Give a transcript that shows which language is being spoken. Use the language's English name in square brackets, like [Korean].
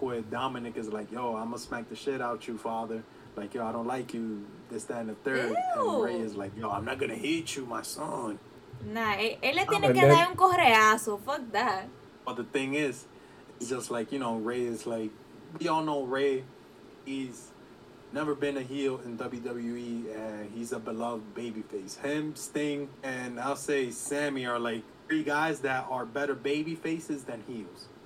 [English] Dominic is like, yo, I'm gonna smack the shit out you, father. Like, yo, I don't like you, this, that, and the third. Ew. And Rey is like, yo, I'm not gonna hit you, my son. [Spanish] Nah, él le tiene que dar un correazo, [English] fuck that. But the thing is, it's just like, you know, Rey is like, we all know Rey, he's... never been a heel in WWE, and he's a beloved babyface. Him, Sting, and I'll say Sammy are like three guys that are better babyfaces than heels.